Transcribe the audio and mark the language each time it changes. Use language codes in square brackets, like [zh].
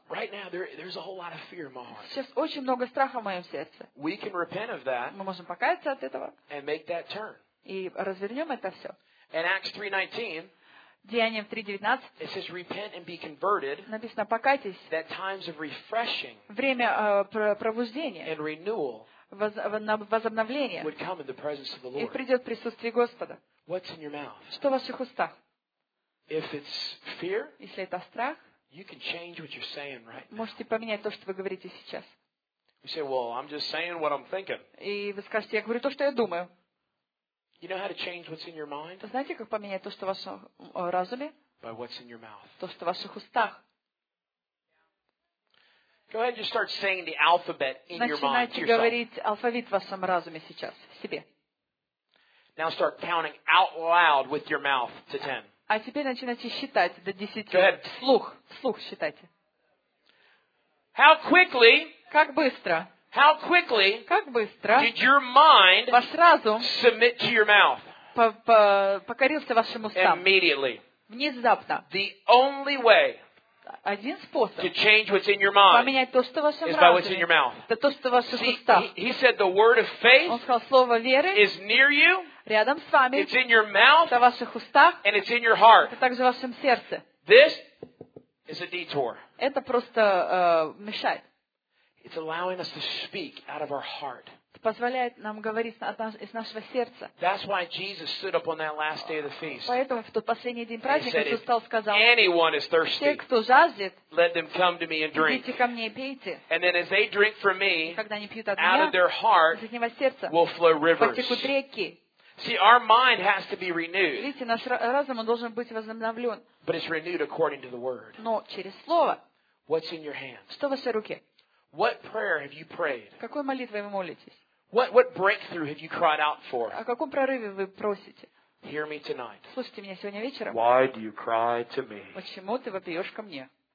[en] Right now there's a whole lot of fear in my heart. [ru] Сейчас очень много страха в моем сердце. [en] We can repent of that. [ru] Мы можем покаяться от этого. [en] And make that turn. [ru] И развернем это все. [en] In Acts 3:19. [ru] Деяниям 3:19 [en] It says, "Repent and be converted." [ru] Написано, покайтесь. [en] That times of refreshing. [ru] Время пробуждения. [en] And renewal. [ru] Возобновление. [en] Would come in the presence of the Lord. [ru] И придет присутствие Господа. [en] What's in your mouth? [ru] Что в ваших устах? [en] If it's fear. [ru] Если это страх. [en] You can change what you're saying right now. [ru] Можете поменять то, что вы говорите сейчас. [en] You say, "Well, I'm just saying what I'm thinking." [ru] И вы скажете, я говорю то, что я думаю. [en] You know how to change what's in your mind? [ru] Знаете, как поменять то, что в вашем разуме? [en] By what's in your mouth? [ru] То, что в ваших устах. [en] Go ahead and just start saying the alphabet in your mind. [ru] Начинайте говорить алфавит в вашем разуме сейчас себе. [en] Now start counting out loud with your mouth to 10. [ru] А теперь начинайте считать до 10. [en] Go ahead. [ru] Вслух считайте. [en] How quickly? [ru] Как быстро? [en] How quickly did your mind submit to your mouth? [ru] Покорился вашим устам. [en] Immediately. [ru] Внезапно. [en] The only way to change what's in your mind is by what's in your mouth. See, he said the word of faith is near you. [ru] Рядом с вами. [en] It's in your mouth. [ru] В ваших устах. [en] And it's in your heart. [ru] Это также в вашем сердце. [en] This is a detour. [ru] Это просто мешает. [en] It's allowing us to speak out of our heart. [ru] Позволяет нам говорить из нашего сердца. [en] That's why Jesus stood up on that last day of the feast. [ru] Поэтому в тот последний день праздника Иисус стал сказал. [en] Anyone is thirsty. [ru] Те, кто жаждет. [en] Let them come to me and drink. [ru] Идите ко мне и пейте. [en] And then as they drink from me, [ru] когда они пьют от меня, [en] out of their heart, [ru] из их сердца, [en] will flow rivers. [ru] Потекут реки. [en] See, our mind has to be renewed. [ru] Видите, наш разум должен быть возобновлен. [en] But it's renewed according to the word. [ru] Но через слово. [en] What's in your hands? [ru] Что в вашей руке? [en] What prayer have you prayed? [ru] Какой молитвой вы молитесь? [en] What breakthrough have you cried out for? [ru] О каком прорыве вы просите? [en] Hear me tonight. [ru] Слушайте меня сегодня вечером. [en] Why do you cry to me? [ru] Почему ты вопиешь ко мне?